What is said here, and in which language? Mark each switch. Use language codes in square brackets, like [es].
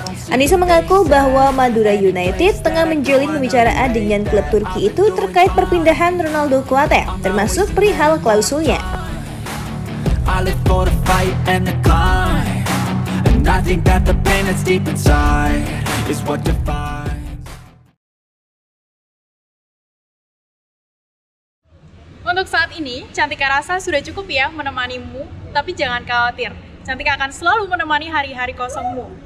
[id] Anissa mengaku bahwa Madura United tengah menjalin pembicaraan dengan klub Turki itu terkait perpindahan Ronaldo Kuateh, termasuk perihal klausulnya. [en] I live for the fight and the climb, and I think that the pain that's deep inside is what defines. [id] Untuk saat ini, Cantika Rasa sudah cukup ya menemanimu, tapi jangan khawatir, Cantika akan selalu menemani hari-hari kosongmu.